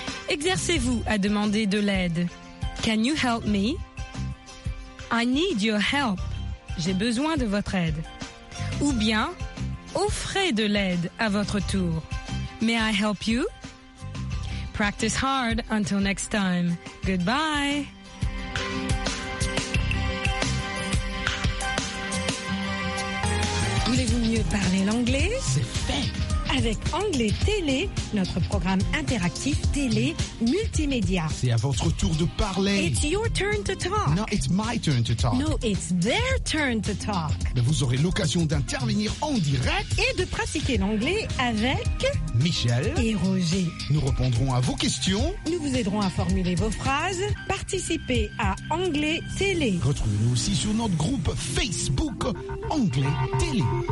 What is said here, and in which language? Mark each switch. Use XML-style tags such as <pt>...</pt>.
<fr>« exercez-vous à demander de l'aide.</fr> <en>Can you help me? I need your help.</en> <fr>J'ai besoin de votre aide. Ou bien, offrez de l'aide à votre tour.</fr> <en>May I help you? Practice hard until next time. Goodbye.</en> <fr>Voulez-vous mieux parler l'anglais? C'est fait! Avec Anglais Télé, notre programme interactif télé multimédia. C'est à votre tour de parler.</fr> <en>It's your turn to talk. No, it's my turn to talk. No, it's their turn to talk.</en> <fr>Mais vous aurez l'occasion d'intervenir en direct. Et de pratiquer l'anglais avec... Michel. Et Roger. Nous répondrons à vos questions. Nous vous aiderons à formuler vos phrases. Participez à Anglais Télé. Retrouvez-nous aussi sur notre groupe Facebook Anglais Télé.</fr>